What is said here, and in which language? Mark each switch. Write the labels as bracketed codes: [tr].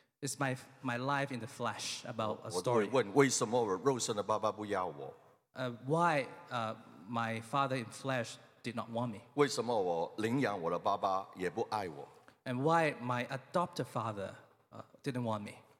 [en] It's my life in the flesh about a story. [zh] 我都会问,为什么肉身的爸爸不要我? [en] Why my father in flesh did not want me. [zh] 为什么我领养我的爸爸也不爱我? [en] And why my adopted father didn't want me?